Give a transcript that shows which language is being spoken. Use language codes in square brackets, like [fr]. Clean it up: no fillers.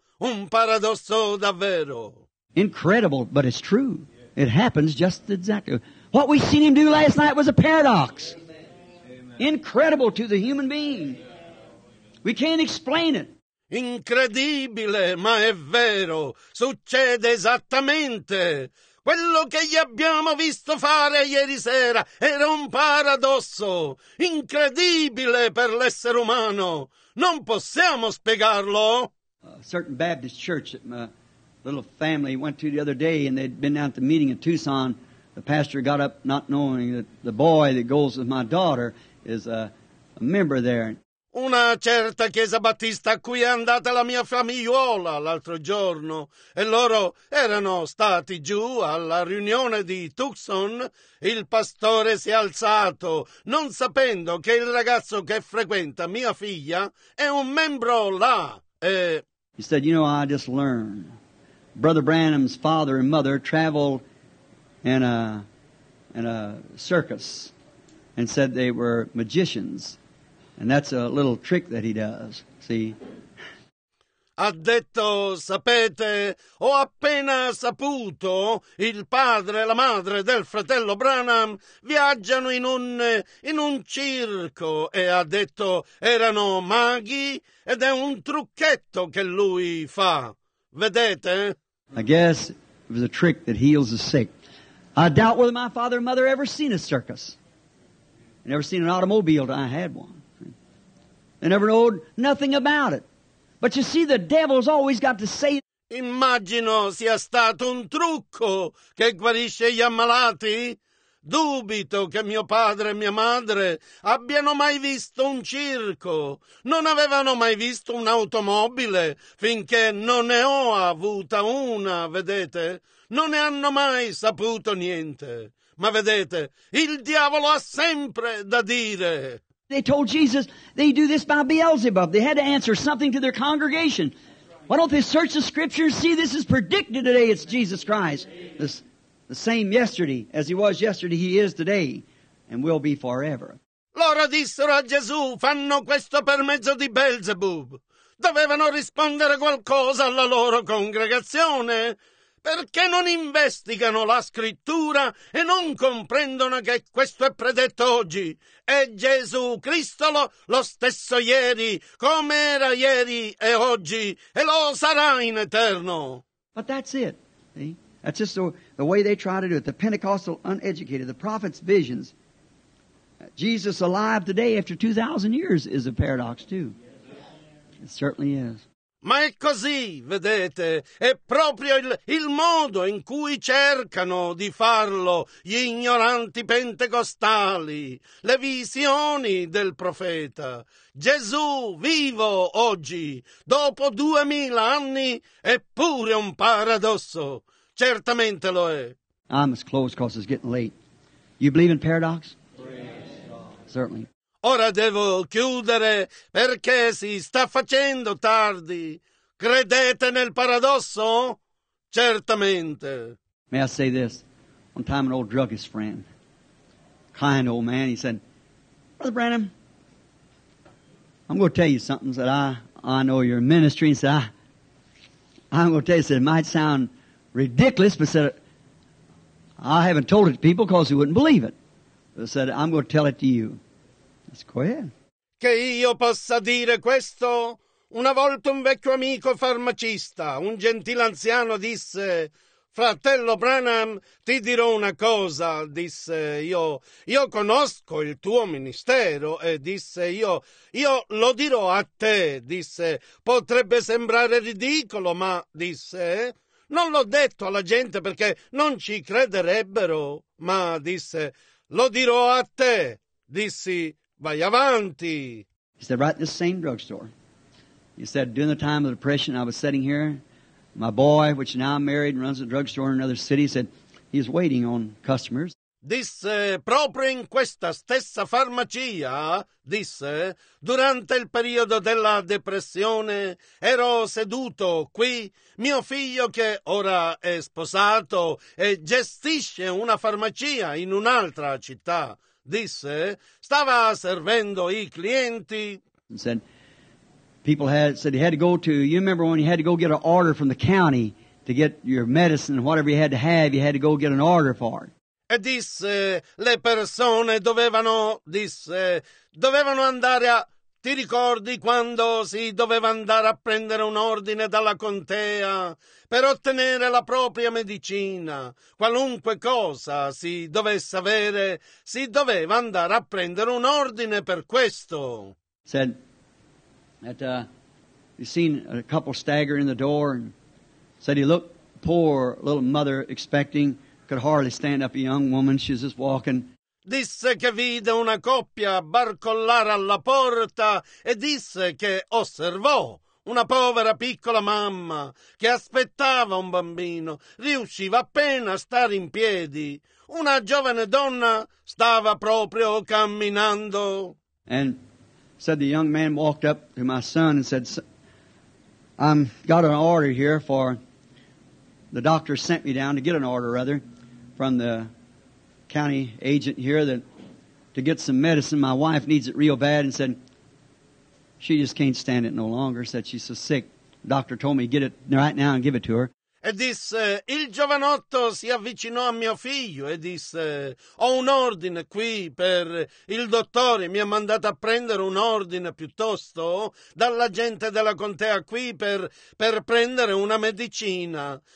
[it] Un paradosso davvero. [en] Incredible, but it's true. It happens just exactly. What we seen him do last night was a paradox. Amen. Incredible to the human being. We can't explain it. [it] Incredibile, ma è vero. Succede esattamente. Quello che gli abbiamo visto fare ieri sera era un paradosso. Incredibile per l'essere umano. Non possiamo spiegarlo. [en] A certain Baptist church that my little family went to the other day, and they'd been down at the meeting in Tucson. The pastor got up not knowing that the boy that goes with my daughter is a member there. [it] Una certa chiesa battista a cui è andata la mia famigliuola l'altro giorno, e loro erano stati giù alla riunione di Tucson, il pastore si è alzato, non sapendo che il ragazzo che frequenta mia figlia è un membro là. [en] He said, you know, I just learned. Brother Branham's father and mother traveled in a circus and said they were magicians. And that's a little trick that he does, see? [it] Ha detto, sapete, ho appena saputo, il padre e la madre del fratello Branham viaggiano in un circo, e ha detto, erano maghi, ed è un trucchetto che lui fa. Vedete? [en] I guess it was a trick that heals the sick. I doubt whether my father and mother ever seen a circus. They never seen an automobile, I had one. They never know nothing about it. But you see, the devil's always got to say. [it] Immagino sia stato un trucco che guarisce gli ammalati. Dubito che mio padre e mia madre abbiano mai visto un circo. Non avevano mai visto un'automobile, finché non ne ho avuta una, vedete? Non ne hanno mai saputo niente. Ma vedete, il diavolo ha sempre da dire. [en] They told Jesus they do this by Beelzebub. They had to answer something to their congregation. Why don't they search the scriptures? See, this is predicted today. It's Jesus Christ. The same yesterday as he was yesterday, he is today and will be forever. [it] Loro dissero a Gesù, fanno questo per mezzo di Beelzebub. Dovevano rispondere qualcosa alla loro congregazione. Perché non investigano la scrittura e non comprendono che questo è predetto oggi? È Gesù Cristo lo stesso ieri, come era ieri e oggi, e lo sarà in eterno. [en] But that's it. See? That's just the way they try to do it. The Pentecostal uneducated, the prophet's visions. Jesus alive today after 2,000 years is a paradox too. It certainly is. [it] Ma è così, vedete, è proprio il modo in cui cercano di farlo gli ignoranti pentecostali, le visioni del profeta. Gesù vivo oggi, dopo 2,000 anni, eppure un paradosso. Certamente lo è. [en] I must close because it's getting late. You believe in paradox? Yes. Certainly. [it] Ora devo chiudere perché si sta facendo tardi. Credete nel paradosso? Certamente. [en] May I say this? One time an old druggist friend, kind old man, he said, Brother Branham, I'm going to tell you something. He said, I know your ministry. He said, I'm going to tell you, said, it might sound ridiculous, but said, I haven't told it to people because they wouldn't believe it. But said, I'm going to tell it to you. [it] Che io possa dire questo? Una volta un vecchio amico farmacista, un gentile anziano, disse, Fratello Branham, ti dirò una cosa, disse io. Io conosco il tuo ministero, e disse io. Io lo dirò a te, disse. Potrebbe sembrare ridicolo, ma, disse, non l'ho detto alla gente perché non ci crederebbero, ma, disse, lo dirò a te. Dissi, vai avanti. [en] He said, right in the same drugstore. He said, during the time of the depression, I was sitting here. My boy, which now married and runs a drugstore in another city, said he's waiting on customers. [it] Disse, proprio in questa stessa farmacia, disse, durante il periodo della depressione, ero seduto qui. Mio figlio, che ora è sposato e gestisce una farmacia in un'altra città, disse, stava servendo i clienti. [en] And said, people had said he had to go to, you remember when you had to go get an order from the county to get your medicine and whatever you had to have, you had to go get an order for it. [it] E disse, le persone dovevano, disse, dovevano andare a, ti ricordi quando si doveva andare a prendere un ordine dalla contea per ottenere la propria medicina? Qualunque cosa si dovesse avere, si doveva andare a prendere un ordine per questo. [en] Said, that he seen a couple stagger in the door and said he looked poor little mother expecting, could hardly stand up a young woman, she was just walking. [it] Disse che vide una coppia barcollare alla porta e disse che osservò una povera piccola mamma che aspettava un bambino, riusciva appena a stare in piedi. Una giovane donna stava proprio camminando. [en] And said the young man walked up to my son and said, I've got an order here for, the doctor sent me down to get an order, rather, from the county agent here that to get some medicine. My wife needs it real bad, and said, she just can't stand it no longer. Said, she's so sick. The doctor told me, get it right now and give it to her. [it] E disse, il giovanotto si avvicinò a mio figlio e disse, ho un ordine qui per il dottore, mi ha mandato a prendere un ordine piuttosto dalla gente della contea qui per prendere una medicina.